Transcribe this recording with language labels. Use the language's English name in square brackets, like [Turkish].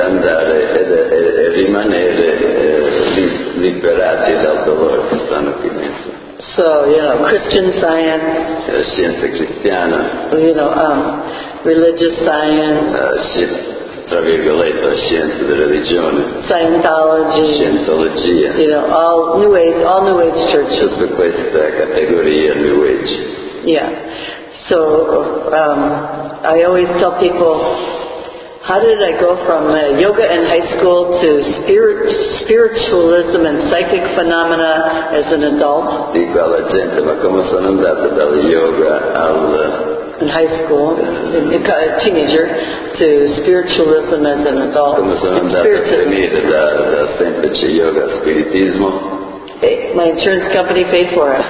[Italian] Per andare e rimanere liberati dal dolore che stanno vivendo. [English] So, you know, Christian Science. [Italian] La scienza cristiana. [English] You know, religious science. [Italian] Tra virgolette la scienza della religione. [English] Scientology. [Italian] Scientologia. [English] You know, all new age churches. [Italian] Tutta questa categoria new age. [English] Yeah. So I always tell people, how did I go from yoga in high school to spiritualism and psychic phenomena as an adult? [Italian] Dico alla gente, ma come sono andata dal yoga al [English] in high school, a teenager, to spiritualism as an adult. [Italian] Come sono andato a venire da semplice yoga a spiritismo? [English] Hey, my insurance company paid for it.